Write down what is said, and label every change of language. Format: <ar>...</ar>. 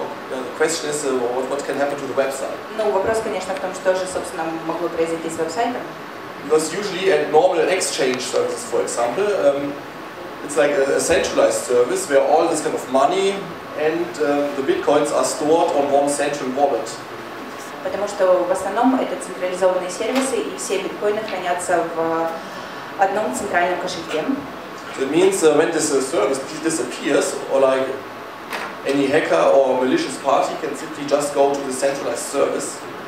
<en>The question is, what can happen to the website?</en> <ru>Ну, вопрос, конечно, в том, что же, собственно, могло произойти с веб-сайтом.</ru> <en>Because usually at normal exchange services, for example, it's like a centralized service where all this kind of money and the bitcoins are stored on one central wallet.</en> <ru>Потому что в основном это централизованные сервисы и все биткоины хранятся в одном центральном кошельке.</ru> <en>So it means when this service disappears, or like any hacker or malicious party can simply just go to the centralized service.</en>